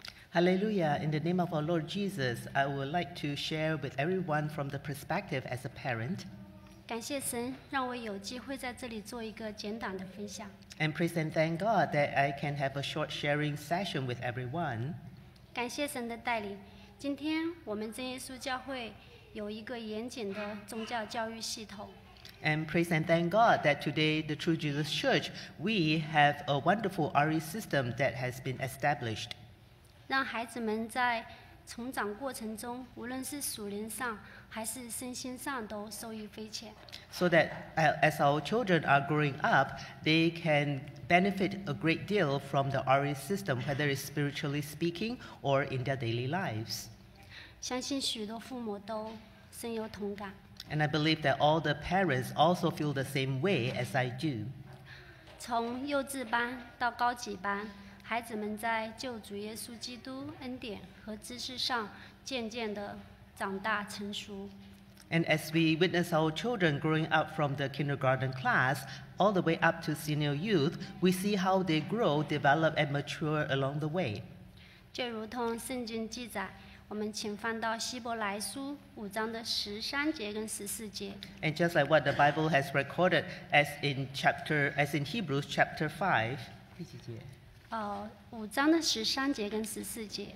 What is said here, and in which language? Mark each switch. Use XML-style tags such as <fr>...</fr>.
<en>Hallelujah, in the name of our Lord Jesus, I would like to share with everyone from the perspective as a parent.</en> <zh>感谢神，让我有机会在这里做一个简短的分享。</zh> <en>And praise and thank God that I can have a short sharing session with everyone.</en> <zh>感谢神的带领，今天我们真耶稣教会有一个严谨的宗教教育系统。</zh> <en>And praise and thank God that today, the True Jesus Church, we have a wonderful RE system that has been established.</en> <zh>让孩子们在成长过程中，无论是属灵上还是身心上都受益匪浅。</zh> <en>So that as our children are growing up, they can benefit a great deal from the RE system, whether it's spiritually speaking or in their daily lives.</en> <zh>相信许多父母都深有同感。</zh> <en>And I believe that all the parents also feel the same way as I do.</en> <zh>从幼稚班到高级班，孩子们在救主耶稣基督恩典和知识上渐渐地长大成熟。</zh> <en>And as we witness our children growing up from the kindergarten class all the way up to senior youth, we see how they grow, develop, and mature along the way.</en> <zh>就如同圣经记载，我们请翻到希伯来书五章的十三节跟十四节。</zh> <en>And just like what the Bible has recorded, as in Hebrews chapter 5,</en> <zh>第几节？五章的十三节跟十四节。</zh>